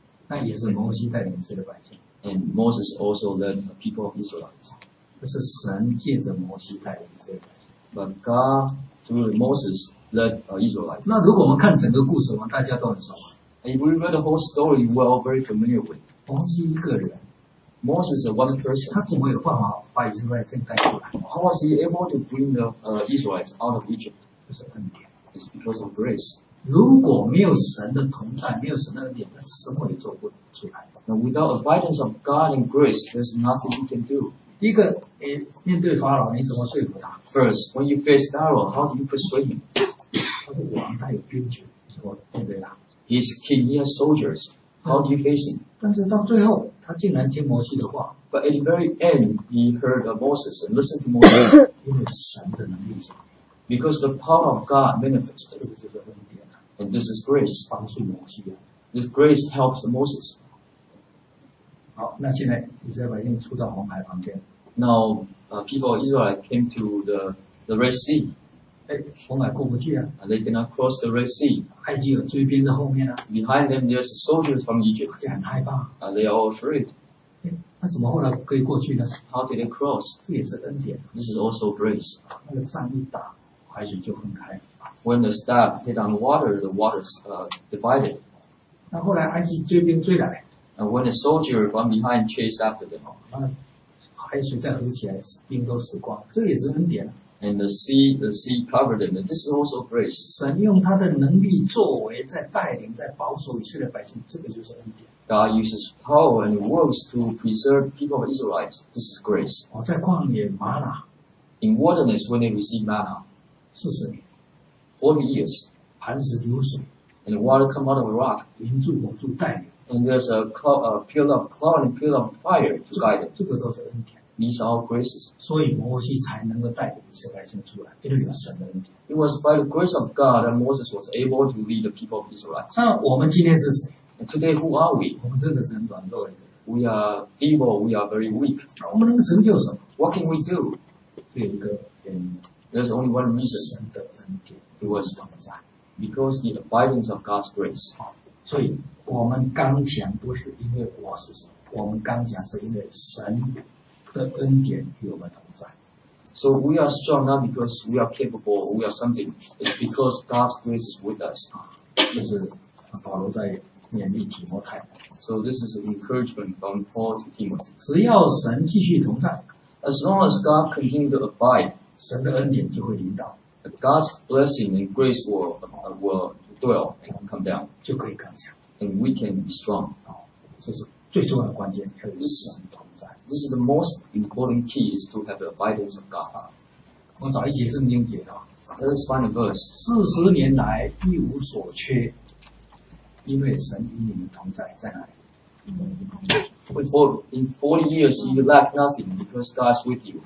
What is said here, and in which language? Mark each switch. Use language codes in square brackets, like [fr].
[en] And Moses also led the people of Israelites. [zh] 这是神借着摩西带领以色列。 [en] But God through Moses led Israelites. [zh] 那如果我们看整个故事，我们大家都很熟。 [en] If we read the whole story, we are all very familiar with. [zh] 摩西一个人, [en] Moses is one person. [zh] 他怎么有办法把以色列人带出来？ [en] How was he able to bring the Israelites out of Egypt? [zh] 这是恩典。 [en] It's because of grace. [zh] 如果没有神的同在，没有神的恩典，那什么也做不出来。 [en] Now without the guidance of God and grace, there's nothing you can do. [zh] 一个，诶，面对法老，你怎么说服他 [en] ？First, when you face Pharaoh, how do you persuade him? [zh] 他说：“王他有兵权，我面对他。 [en] He's king, he has soldiers. How do you face him?” [zh] 但是到最后，他竟然听摩西的话。 [en] But at the very end, he heard of Moses and listened to Moses. [zh] 因为神的能力是。 [en] Because the power of God manifested. [zh] 这个就是恩典。 [en] And this is grace. [zh] 帮助摩西啊。 [en] This grace helps Moses. [zh] 好，那现在以色列百姓出到红海旁边。 [en] Now, people of Israel came to the Red Sea. [zh] 哎，红海过不去啊。 [en] They cannot cross the Red Sea. [zh] 埃及有追兵在后面啊。 [en] Behind them, there's soldiers from Egypt. [zh] 这很害怕。 [en] They are all afraid. [zh] 那怎么后来可以过去呢 [en] ？How did they cross? [zh] 这也是恩典。 [en] This is also grace. [zh] 那个仗一打，海水就分开。 [en] When the staff hit on water, the waters divided. [zh] 那后来埃及追兵追来。 [en] And when a soldier from behind chased after them, [zh] 海水再合起来，兵都死光，这也是恩典。 [en] And the sea covered them. This is also grace. [zh] 神用他的能力作为，在带领，在保守以色列百姓，这个就是恩典。 [en] God uses power and works to preserve people of Israelites. This is grace. [zh] 哦，在旷野玛拿。 [en] In wilderness, when they receive manna, 40 years. 40 years. [zh] 磐石流水。 [en] And the water come out of a rock. [zh] 云柱火柱带领。 [en] And there's a pillar of cloud and pillar of fire to guide them. [zh] 这个都是恩典。 [en] These are all graces. [zh] 所以摩西才能够带领以色列百姓出来，因为有神的恩典。 [en] It was by the grace of God that Moses was able to lead the people of Israelites. [zh] 那我们今天是谁？ [en] Today, who are we? [zh] 我们真的是很软弱的。 [en] We are feeble. We are very weak. [zh] 我们能成就什么 [en] ？What can we do? [zh] 这有一个原因。 [en] There's only one reason. [zh] 神的恩典。 [en] It was [zh] 同在。 [en] Because the abundance of God's grace. [zh] 所以我们刚强不是因为我是谁，我们刚强是因为神的恩典与我们同在。 [en] So we are strong not because we are capable. We are something. It's because God's grace is with us. [zh] 就是保罗在。勉励提摩太。 [en] So this is an encouragement from Paul to Timothy. [zh] 只要神继续同在 [en] ，as long as God continue to abide， [zh] 神的恩典就会引导 [en] ，God's blessing and grace will dwell and come down， [zh] 就可以更强 [en] ，and we can be strong。 [zh] 这是最重要的关键，要与神同在。 [en] This is the most important key is to have the abidance of God。 [zh] 我找一节圣经解啊 [en] ，Let's find a verse。 [zh] 40年来一无所缺。因为神与你们同在，在哪里？在哪里？ [en] In 40 years, you lack nothing because God is with you.